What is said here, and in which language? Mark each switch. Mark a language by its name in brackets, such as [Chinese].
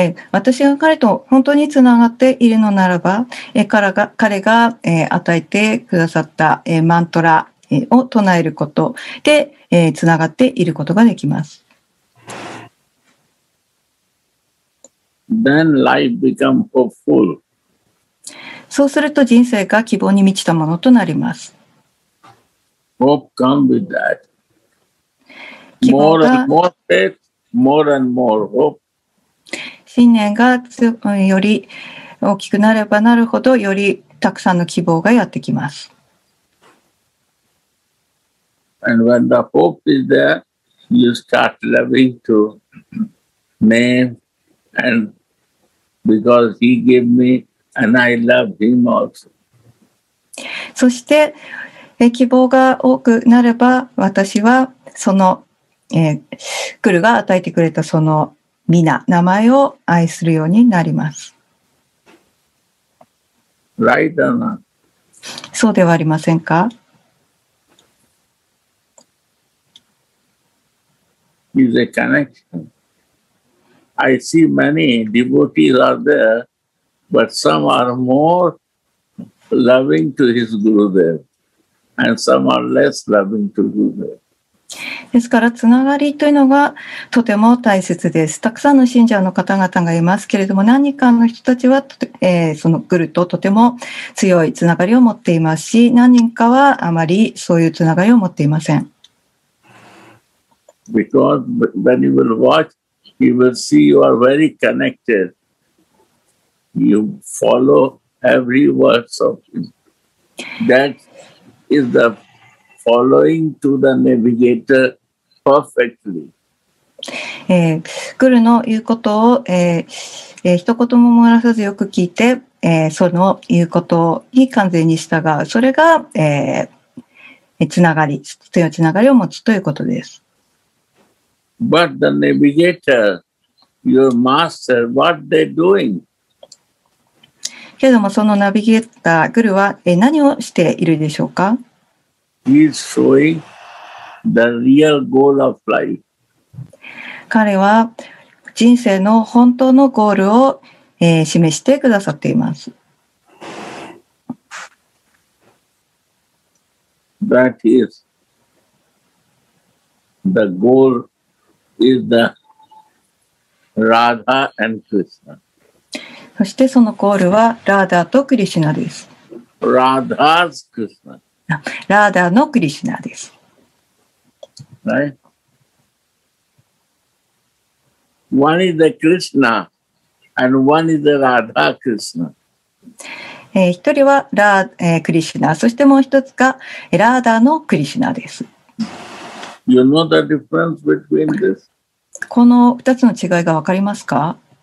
[Japanese] 私が彼と本当につながっているのならば、彼が、与えてくださった、マントラを唱えることで、つながっていることができます。 [English] Then life become hopeful. [Japanese] そうすると人生が希望に満ちたものとなります。 [English] Hope come with that. More and more faith, more and more hope. [Japanese] 信念がより大きくなればなるほど、よりたくさんの希望がやってきます。 [English] And when the hope is there, you start loving to name and because he gave me and I love him also. [Japanese] そして希望が多くなれば私はそのクルが与えてくれたそのミナ名前を愛するようになります。 [English] Right or not? [Japanese] そうではありませんか？ [English] Is a connection. I see many devotees are there, but some are more loving to his guru there, and some are less loving to guru there. [Japanese] ですからつながりというのがとても大切です。たくさんの信者の方々がいますけれども、何かの人たちは、そのグルととても強いつながりを持っていますし、何人かはあまりそういうつながりを持っていません。 [English] Because when you will watch, you will see you are very connected. You follow every word of him. That is theFollowing to the navigator perfectly. [Japanese] クルの言うことを、一言も漏らさずよく聞いて、その言うことに完全に従う。それが、つながり、強いつながりを持つということです。 [English] But the navigator, your master, what they doing? [Japanese] けれども、そのナビゲーター、クルは、何をしているでしょうか？ [English] He is showing the real goal of life. [Japanese] 彼は人生の本当のゴールを、示してくださっています。 [English] That is the goal is the Radha and Krishna. [Japanese] そしてそのゴールはラーダーとクリシナです。 [English] Radha's Krishna. [Japanese] ラーダのクリシナです。 [English] Right. One is the Krishna and one is the Radha Krishna. [Japanese] 一人はラー、クリシナ、そしてもう一つがラーダのクリシナです。 [English] You know the difference between this? [Japanese] この二つの違いがわかりますか？